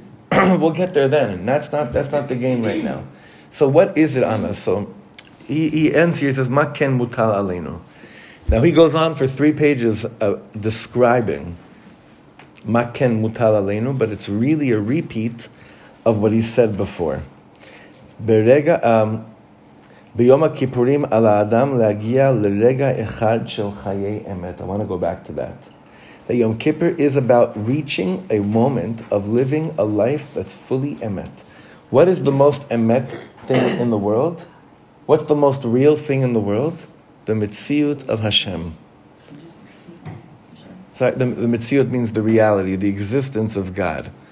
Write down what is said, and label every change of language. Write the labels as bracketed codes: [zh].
[en] We'll get there then, and that's not the game right now. So what is it on us? So, he ends here, he says, [he] Makken mutal aleinu. [en] Now he goes on for 3 pages describing [he] Makken mutal aleinu, [en] but it's really a repeat of what he said before. Berega [he] ביום הכיפורים על האדם להגיע לרגע אחד של חיי אמת. [en] I want to go back to that. The Yom Kippur is about reaching a moment of living a life that's fully emet. What is the most emet thing in the world? What's the most real thing in the world? The mitziut of Hashem. So the mitziut means the reality, the existence of God.